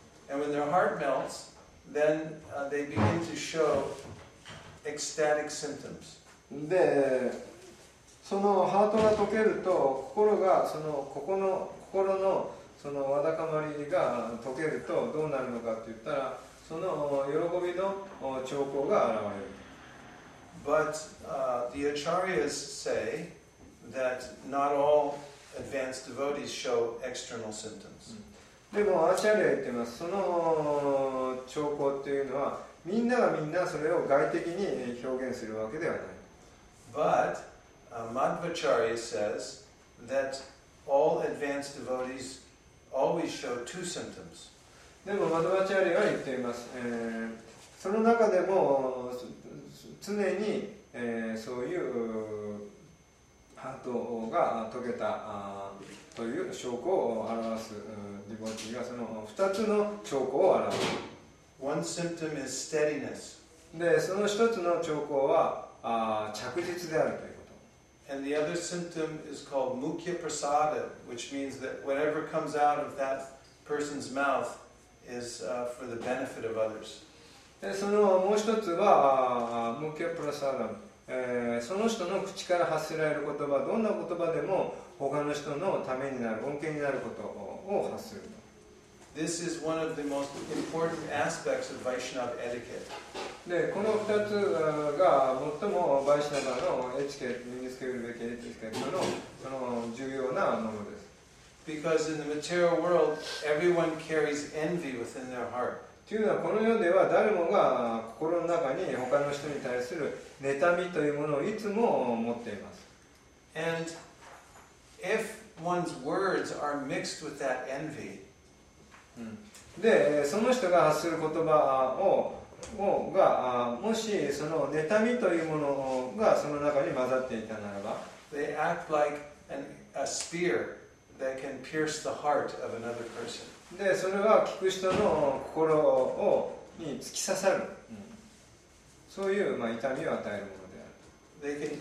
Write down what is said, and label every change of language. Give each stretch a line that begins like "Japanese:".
English: And when their heart melts, then they begin to show. Ecstatic symptoms.
Japanese: で、そのハートが溶けると、心がそのここの心のそのわだかまりが溶けるとどうなるのかって言ったら、その喜びの兆候が現れる。
English: But the acharyas say that not all advanced devotees show external symptoms.
Japanese: でもアーチャリア言ってます。その兆候っていうのは。みんながみんなそれを外的に表現するわけではない。
English: But Madhvacharya says that all advanced devotees always show two symptoms.
Japanese: でもマドヴァチャリアは言っています。その中でも常に、そういうハートが溶けたという証拠を表すディボティがその二つの証拠を表す。
English: One symptom is steadiness.
Japanese: で、その一つの兆候は着実であるということ。
English: And the other symptom is called mukhya prasada, which means that whatever comes out of that person's mouth is for the benefit of others.
Japanese: で、そのもう一つは mukhya prasada。その人の口から発せられる言葉、どんな言葉でも他の人のためになる、恩恵になることを発する。
English: This is one of the most important aspects of Vaishnava etiquette.
Japanese: で、この2つが最もバイシナバのエチケット、身につけるべきエチケットのその重要なものです。
English: Because in the material world, everyone carries envy within their heart.
Japanese: というのは、この世では誰もが心の中に他の人に対する妬みというものをいつも持っています。
English: And if one's words are mixed with that envy,
Japanese: で、その人が発する言葉をが、もしその妬みというものがその中に混ざっていたならば、
English: they act like a spear that can pierce the heart of another person.
Japanese: で、それは聞く人の心をに突き刺さる。そういう、まあ、痛みを与えるものである。